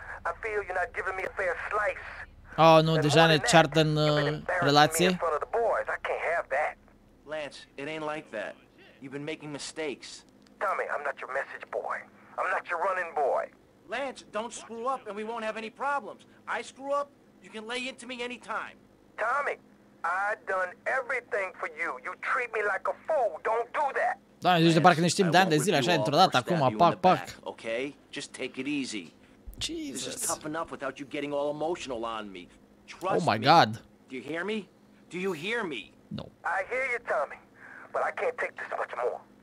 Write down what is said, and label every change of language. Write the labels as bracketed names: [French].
[English] I feel you're not giving me a fair slice. [Romanian] Oh, nu, deja ne ceartă în relație. [English] I can't have that. Lance, it ain't like that. You've been making mistakes. Tommy, I'm not your message boy. I'm not your running boy. Lance, don't screw up and we won't have any problems. I screw up, you can lay into me anytime. Tommy, I done everything for you. You treat me like a fool. Don't do that. [Romanian] Doamne, zici de parcă ne știm de ani de zile, așa dintr-o dată, acum, pac, pac. [English] Okay? Just take it easy. Jesus. This is tough enough without you getting all emotional on me. Trust me. Oh my God. Do you hear me? Do you hear me? No. I hear you, Tommy, but I can't take this much more.